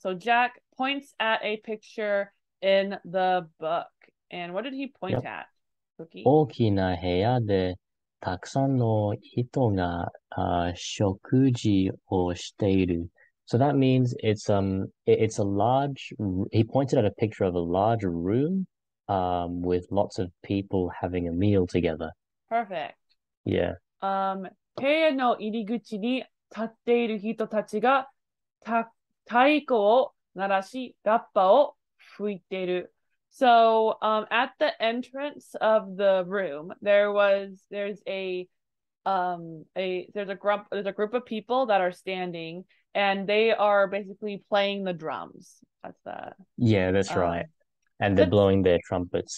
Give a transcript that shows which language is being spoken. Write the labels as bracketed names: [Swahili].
[English] So Jack points at a picture in the book, and what did he point at, Cookie? [Japanese] Oki na heya de たくさんの人が、食事をしている。 [English] So that means it's a large, he pointed out a picture of a large room, with lots of people having a meal together. Perfect. Yeah. [Japanese] 部屋の入り口に立っている人たちが太鼓を鳴らし、ラッパを吹いている。 [English] So, at the entrance of the room, there's a group of people that are standing, and they are basically playing the drums. That's that. Yeah, that's right. And they're blowing their trumpets.